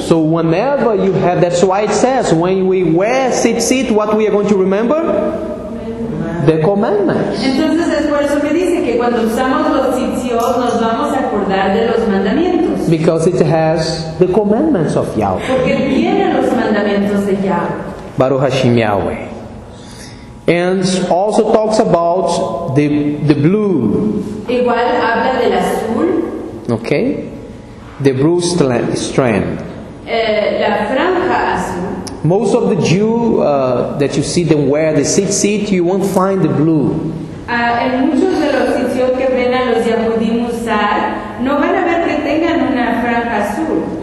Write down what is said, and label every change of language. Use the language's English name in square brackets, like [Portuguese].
[English] So whenever you have, that's why it says, when we wear tzitzit, what we are going to remember? The commandments. [Spanish] Entonces es por eso que dice que cuando usamos los tzitzit, nos vamos a acordar de los mandamientos. [English] Because it has the commandments of Yahweh. [Spanish] Porque tiene los mandamientos de Yahweh. [Hebrew] Baruch Hashem Yahweh. [English] And also talks about the blue. [Spanish] Igual habla del azul. [English] Okay. The blue strand. [Spanish] La franja azul. [English] Most of the Jew that you see them wear the tzitzit, you won't find the blue. [Spanish] En muchos de los tzitzit que ven a los yahudim usar, no van a ver que tengan una franja azul.